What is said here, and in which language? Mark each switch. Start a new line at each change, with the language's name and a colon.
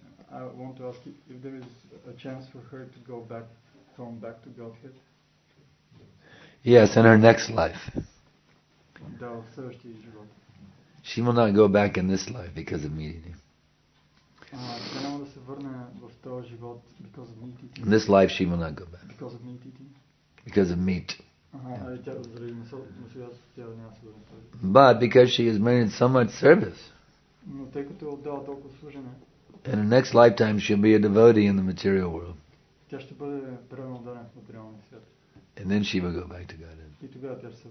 English: I want to ask you if there is a chance for her to go back, from back to Godhead? Yes, in her next life.
Bulgarian: Да, в следващия живот.
English: She will not go back in this life because of meeting him.
Bulgarian: Тя няма да се върне в този живот,
English: because of meat eating. In this life she will not go back. Because of meat eating? Because of meat. Yeah. But because she has made so much service, in her next lifetime she'll be a devotee in the material world. And then she will go back to Godhead.